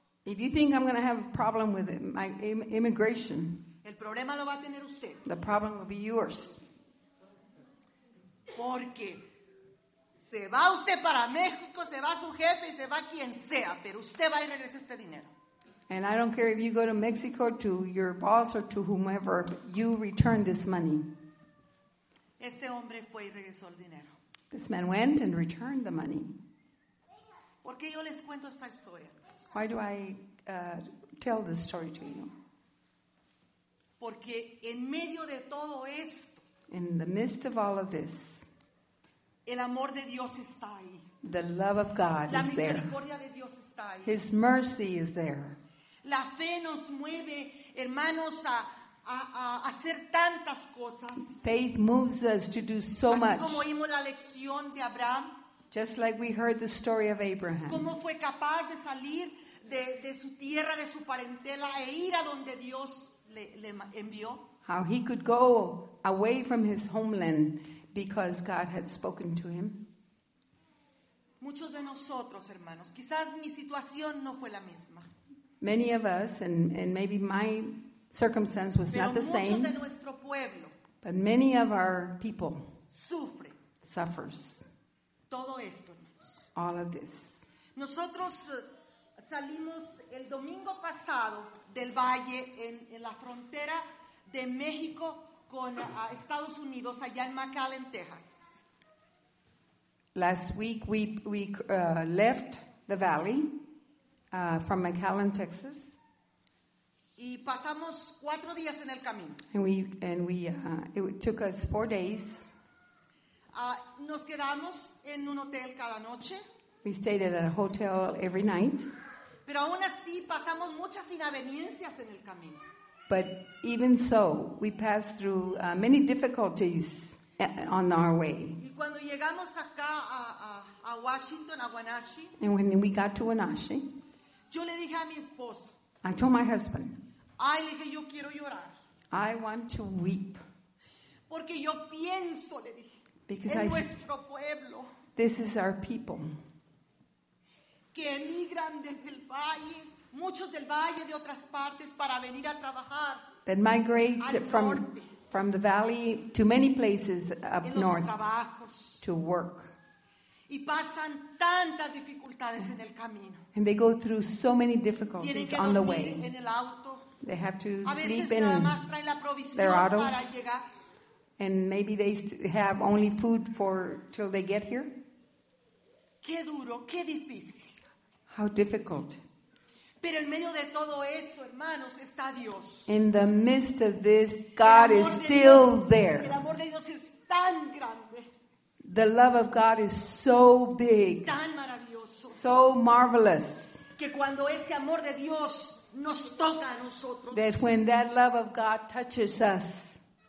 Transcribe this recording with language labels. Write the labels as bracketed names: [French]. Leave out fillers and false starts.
[English] If you think I'm going to have a problem with immigration, [Spanish] el problema lo va a tener usted. [English] The problem will be yours. [Spanish] Porque se va usted para México, se va su jefe y se va quien sea, pero usted va y regresa este dinero. [English] And I don't care if you go to Mexico to your boss or to whomever, you return this money. [Spanish] Este hombre fue y regresó el dinero. [English] This man went and returned the money. [Spanish] ¿Por qué yo les cuento esta historia? [English] Why do I tell this story to you? [Spanish] Porque en medio de todo esto, [English] in the midst of all of this, [Spanish] el amor de Dios está ahí. [English] The love of God [Spanish] la [English] is there. [Spanish] La misericordia de Dios está ahí. [English] His mercy is there. [Spanish] La fe nos mueve, hermanos, a hacer tantas cosas. [English] Faith moves us to do so [Spanish] así [English] much. [Spanish] Así como oímos la lección de Abraham. [English] Just like we heard the story of Abraham. [Spanish] ¿Cómo fue capaz de salir de su tierra, de su parentela e ir a donde Dios le envió? [English] How he could go away from his homeland because God had spoken to him. [Spanish] Muchos de nosotros, hermanos, quizás mi situación no fue la misma. [English] Many of us, and maybe my circumstance was [Spanish] pero [English] not the same. [Spanish] Pero muchos de nuestro pueblo. [English] But many of our people. [Spanish] Sufre. [English] Suffers. [Spanish] Todo esto, hermanos. [English] All of this. [Spanish] Nosotros salimos el domingo pasado del valle en la frontera de México con Estados Unidos allá en McAllen, Texas. [English] Last week we left the valley from McAllen, Texas. [Spanish] Y pasamos 4 días en el camino. [English] It took us 4 days. [Spanish] Nos quedamos en un hotel cada noche. [English] We stayed at a hotel every night. [Spanish] Pero aún así pasamos muchas inaveniencias en el camino. [English] But even so, we pass through many difficulties on our way. [Spanish] Y cuando llegamos acá a Washington, a Wenatchee. [English] And when we got to Wenatchee. [Spanish] Yo le dije a mi esposo. [English] I told my husband. [Spanish] Ay, le dije, yo quiero llorar. [English] I want to weep. [Spanish] Porque yo pienso, le dije, [English] because [Spanish] en nuestro pueblo. [English] This is our people. [Spanish] Que emigran desde el valle, muchos del valle de otras partes para venir a trabajar. [English] That migrate from the valley to many places up north to work. [Spanish] Y pasan tantas dificultades en el camino. [English] And they go through so many difficulties on the way. [Spanish] En el auto. [English] They have to [Spanish] a veces [English] sleep in [Spanish] la [English] their autos. [Spanish] Para llegar. [English] And maybe they have only food for till they get here. [Spanish] Qué duro, qué difícil. [English] How difficult. [Spanish] Pero en medio de todo eso, hermanos, está Dios. [English] In the midst of this, God is still there. [Spanish] El amor de Dios es tan grande. [English] The love of God is so big. [Spanish] Tan maravilloso. [English] So marvelous. [Spanish] Que cuando ese amor de Dios nos toca a nosotros. [English] That when that love of God touches us.